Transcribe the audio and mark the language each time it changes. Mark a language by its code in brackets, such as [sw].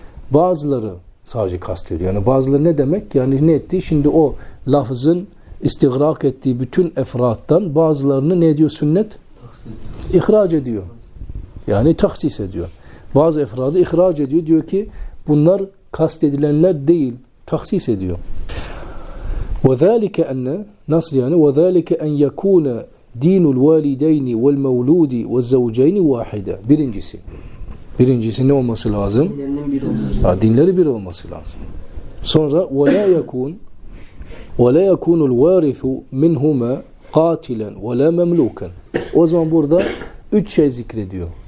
[tr] Bazıları sadece kastediyor. Yani bazıları ne demek? Yani ne ettiği şimdi o lafızın istigrak ettiği bütün efrattan bazılarını ne diyor sünnet? İhraç ediyor. Yani tahsis ediyor. Bazı efradı ihraç ediyor. Diyor ki bunlar kastedilenler değil. Tahsis ediyor. [ar] وَذَٰلِكَ أَنَّ [tr] Nasıl yani? [ar] وَذَٰلِكَ أَنْ يَكُونَ دِينُ الْوَالِدَيْنِ وَالْمَوْلُودِ وَالزَّوْجَيْنِ وَاحِدًا [tr] Birincisi. Birincisi ne olması lazım? Dinlerinin bir olması. Dinleri bir olması lazım. [ar] Sonra وَلَا يَكُونَ وَلَا يَكُونُ الْوَارِثُ مِنْهُمَا قَاتِلًا وَلَا مَمْلُوكًا [tr] O zaman burada üç şey zikrediyor.